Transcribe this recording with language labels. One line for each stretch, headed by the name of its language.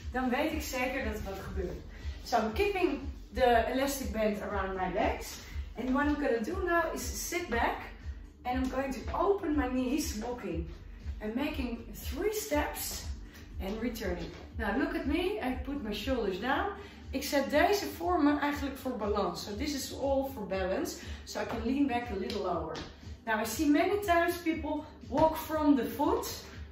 Dutch: Dan weet ik zeker dat wat gebeurt.
English: So I'm keeping the elastic band around my legs. And what I'm going to do now is sit back. And I'm going to open my knees, walking. And making 3 steps and returning. Now look at me. I put my shoulders down.
Dutch: Ik zet deze vormen eigenlijk voor balans.
English: So this is all for balance. So I can lean back a little lower. Now I see many times people walk from the foot.